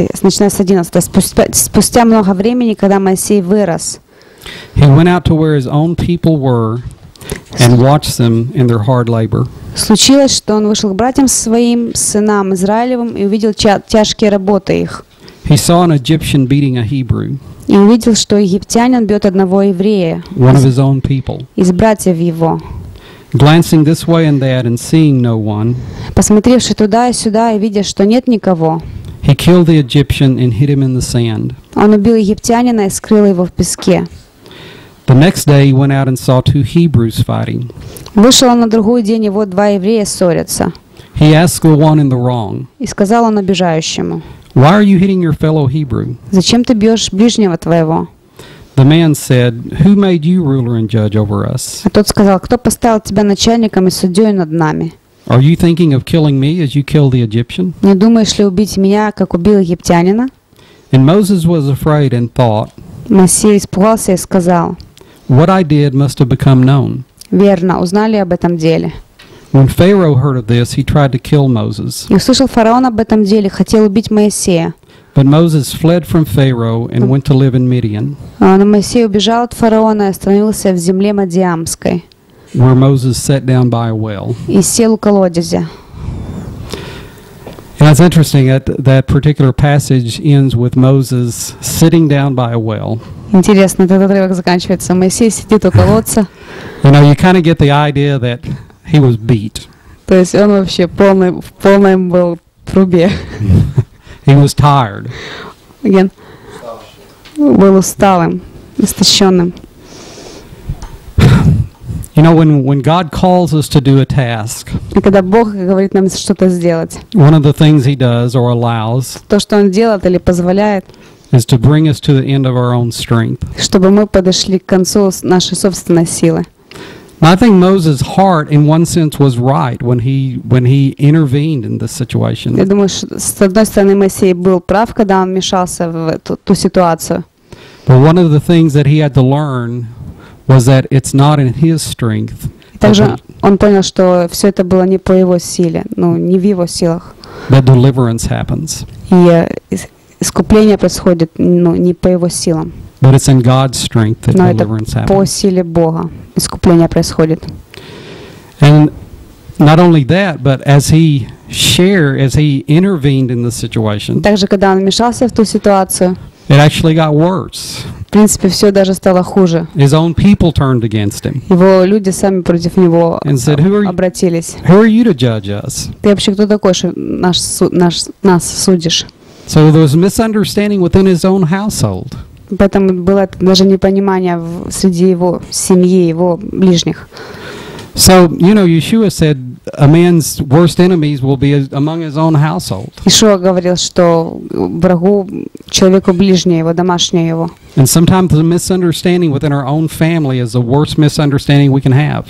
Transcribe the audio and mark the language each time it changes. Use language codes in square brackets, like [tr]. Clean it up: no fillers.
[ru] 11, спустя много времени, когда Моисей вырос, [en] he went out to where his own people were, and watched them in their hard labor. [ru] Случилось, что он вышел к братьям своим, сынам Израилевым, и увидел тяжкие работы их. [en] He saw an Egyptian beating a Hebrew. [ru] И увидел, что египтянин бьет одного еврея. [en] One of his own people. [ru] Из братьев его. [en] Glancing this way and that and seeing no one. [ru] Посмотревши туда и сюда и видя, что нет никого. [en] He killed the Egyptian and hid him in the sand. [ru] Он убил египтянина и скрыл его в песке. [en] The next day he went out and saw two Hebrews fighting. [ru] Вышел он на другой день, и вот два еврея ссорятся. [en] He asked the one in the wrong. [ru] И сказал он обижающему. [en] Why are you hitting your fellow Hebrew? [ru] Зачем ты бьешь ближнего твоего? [en] The man said, "Who made you ruler and judge over us?" [ru] А тот сказал, кто поставил тебя начальником и судьей над нами? [en] Are you thinking of killing me as you killed the Egyptian? [ru] Не думаешь ли убить меня, как убил египтянина? [en] And Moses was afraid and thought. [ru] Моисей испугался и сказал. [en] What I did must have become known. [ru] Верно, узнали об этом деле. [en] When Pharaoh heard of this, he tried to kill Moses. [ru] И услышал фараон об этом деле, хотел убить Моисея. [en] But Moses fled from Pharaoh and went to live in Midian. [ru] Но Моисей убежал от фараона и остановился в земле Мадиамской. [en] Where Moses sat down by a well. [ru] И сел у колодезя. [en] And it's interesting that that particular passage ends with Moses sitting down by a well. [ru] Интересно, этот отрывок заканчивается. Моисей сидит у колодца. [en] You know, you kind of get the idea that he was beat. [ru] То есть он вообще в полном был трубе. [en] He was tired. Again. [ru] Был усталым, истощенным. [en] You know, when God calls us to do a task. [ru] И когда Бог говорит нам что-то сделать. [en] One of the things he does or allows. [ru] То, что он делает или позволяет. [en] Is to bring us to the end of our own strength. [ru] Чтобы мы подошли к концу нашей собственной силы. [en] I think Moses' heart, in one sense, was right when he intervened in this situation. [ru] Я думаю, с одной стороны, Моисей был прав, когда он вмешался в ту ситуацию. [en] But one of the things that he had to learn was that it's not in his strength. [ru] Также он понял, что все это было не по его силе, ну не в его силах. [en] That deliverance happens. [ru] И искупление происходит, ну не по его силам. [en] But it's in God's strength that deliverance happens. [ru] Но это по силе Бога искупление происходит. [en] And not only that, but as he intervened in the situation. [ru] Также когда он вмешался в ту ситуацию. [en] It actually got worse. [ru] В принципе, все даже стало хуже. [en] His own people turned against him. [ru] Его люди сами против него обратились. [en] Who are you to judge us? [ru] Ты вообще кто такой, что нас судишь? [en] So there was misunderstanding within his own household. [ru] Поэтому было даже непонимание среди его семьи, его ближних. [en] So, you know, Yeshua said a man's worst enemies will be among his own household. [ru] Ишуа говорил, что врагу человеку ближнее его, домашнее его. [en] And sometimes the misunderstanding within our own family is the worst misunderstanding we can have.